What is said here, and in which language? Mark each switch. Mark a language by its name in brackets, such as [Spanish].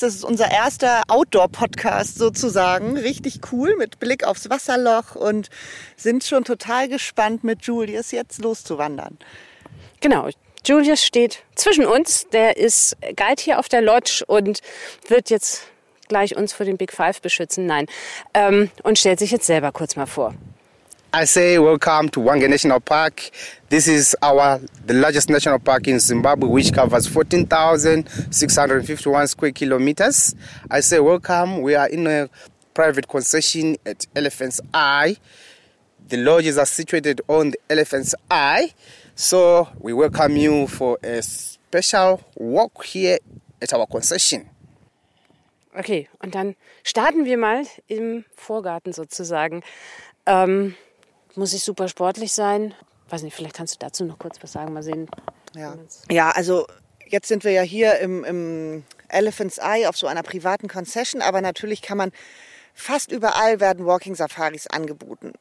[German] Das ist unser erster Outdoor-Podcast sozusagen. Richtig cool mit Blick aufs Wasserloch und sind schon total gespannt, mit Julius jetzt loszuwandern. Genau. Julius steht zwischen uns, der ist Guide hier auf der Lodge und wird jetzt gleich uns vor den Big Five beschützen, und stellt sich jetzt selber kurz mal vor. [English] I say welcome to Wanga National Park. This is the largest national park in Zimbabwe, which covers 14,651 square kilometers. I say welcome, we are in a private concession at Elephant's Eye. The lodges are situated on the Elephant's Eye. So we welcome you for a special walk here at our concession. [German] Okay, und dann starten wir mal im Vorgarten sozusagen. Muss ich super sportlich sein? Weiß nicht, vielleicht kannst du dazu noch kurz was sagen, mal sehen. Ja, also jetzt sind wir ja hier im Elephant's Eye auf so einer privaten Concession, aber natürlich kann man fast überall werden Walking Safaris angeboten.